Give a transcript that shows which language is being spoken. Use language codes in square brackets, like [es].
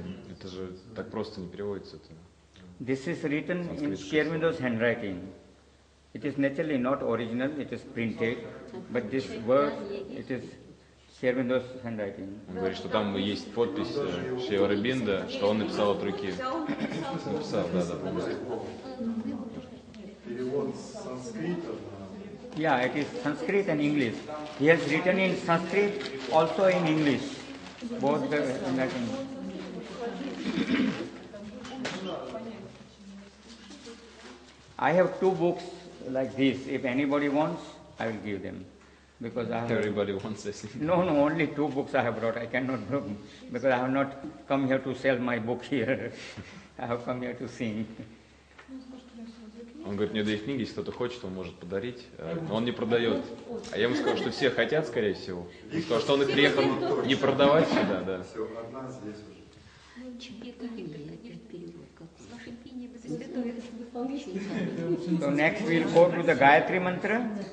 [ru] Это же так просто не переводится. [en] This is written in Aurobindo's handwriting. It is naturally not original, it is printed, but this word, it is Aurobindo's handwriting. [ru] Он говорит, что там есть подпись Aurobindo, что он написал от руки. Написал, да, Перевод санскрита. [en] Yeah, it is Sanskrit and English. He has written in Sanskrit, also in English. Both the handwriting. I have two books like this. If anybody wants, I will give them. Because I have, everybody wants this. No, only two books I have brought. I cannot bring them because I have not come here to sell my book here. I have come here to sing. [ru] Он говорит, у него две книги, если кто-то хочет, он может подарить, но он не продает. А я ему сказал, что все хотят, скорее всего. Он сказал, что он и приехал не продавать сюда, да. Все, одна здесь уже. [en] So next we'll go to the Gayatri Mantra.